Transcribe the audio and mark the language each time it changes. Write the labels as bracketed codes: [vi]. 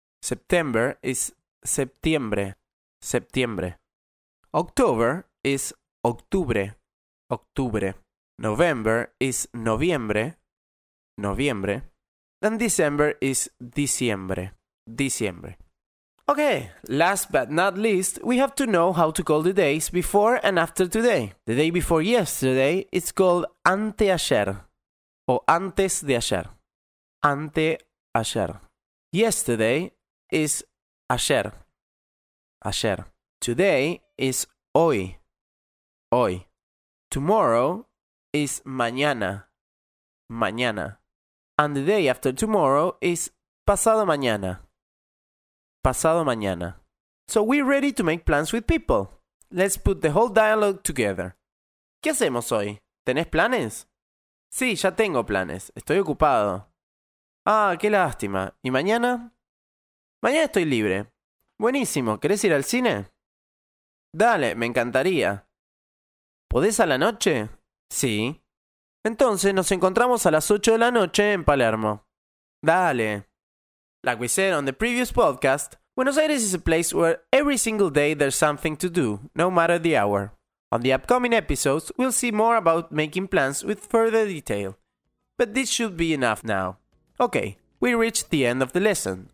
[en] September is septiembre, septiembre. October is octubre, octubre. November is noviembre, noviembre. And December is diciembre, diciembre. Okay, last but not least, we have to know how to call the days before and after today. The day before yesterday is called [es] anteayer, o antes de ayer. [en] Anteayer. Yesterday is ayer, ayer. Today is hoy, hoy. Tomorrow is mañana, mañana. And the day after tomorrow is [es] pasado mañana, pasado mañana. [en] So we're ready to make plans with people. Let's put the whole dialogue together. [es] ¿Qué hacemos hoy? ¿Tenés planes? Sí, ya tengo planes. Estoy ocupado. Ah, qué lástima. ¿Y mañana? Mañana estoy libre. Buenísimo. ¿Querés ir al cine? Dale, me encantaría. ¿Podés a la noche? Sí. Entonces nos encontramos a las 8 de la noche en Palermo. Dale. [en] Like we said on the previous podcast, Buenos Aires is a place where every single day there's something to do, no matter the hour. On the upcoming episodes, we'll see more about making plans with further detail. But this should be enough now. Okay, we reached the end of the lesson.